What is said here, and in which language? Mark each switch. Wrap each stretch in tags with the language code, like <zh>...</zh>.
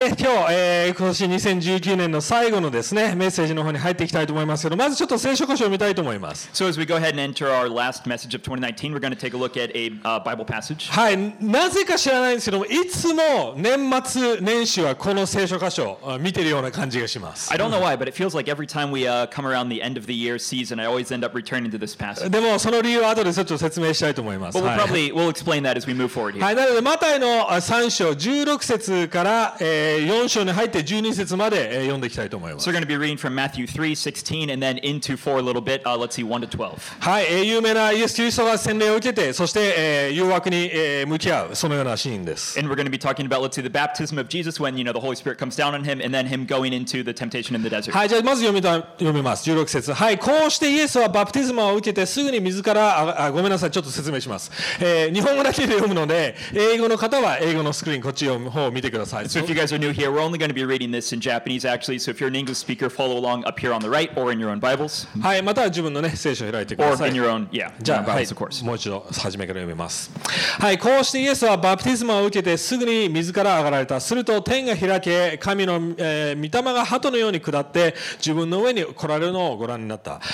<ja>今日、今年2019年の最後のですね、メッセージの方に入っていきたいと思いますけど、まずちょっと聖書箇所を見たいと思います。</ja> <en>So as we go ahead and enter our last message of 2019, we're going to take a look at a Bible passage.</en> <ja>はい、なぜか知らないんですけども、いつも年末年始はこの聖書箇所を見てるような感じがします。</ja> <en>I don't know why, but it feels like every time we come around the end of the year season, I always end up returning to this passage.</en> <ja>でもその理由は後でちょっと説明したいと思います。</ja> <en>But we'll explain that as we move forward here.</en> <ja>はい、なのでマタイの3章16節から4章に入って12節まで読んでいきたいと思います。</ja> <en>So we're going to be reading from Matthew 3:16 and then into 4 a little bit. Let's see 1 to 12.</en> <ja>はい、有名なイエス・キリストが洗礼を受けて、そして誘惑に向き合う、そのようなシーンです。</ja> <en>And we're going to be talking about, let's see, the baptism of Jesus when, you know, the Holy Spirit comes down on him and then him going into the temptation in the desert.</en> <ja>はい、じゃあまず読みます。16節。はい、こうしてイエスはバプティズムを受けてすぐに水から、ごめんなさい、ちょっと説明します。日本語だけで読むので、英語の方は英語のスクリーン、こっちの方を見てください。</ja> <en>So if you guys are new here, we're only going to be reading this in Japanese, actually. So if you're an English speaker, follow along up here on the right or in your own Bibles.</en> <ja>はい、または自分のね、聖書を開いてください。</ja> <en>Or in your own, yeah,</en> <ja>じゃあ、</ja> <en>Bibles, of course.</en> <ja>もう一度、初めから読みます。はい、こうしてイエスはバプティズマを受けてすぐに水から上がられた。すると天が開け、神の、御霊が鳩のように下って、自分の上に来られるのをご覧になった。</ja>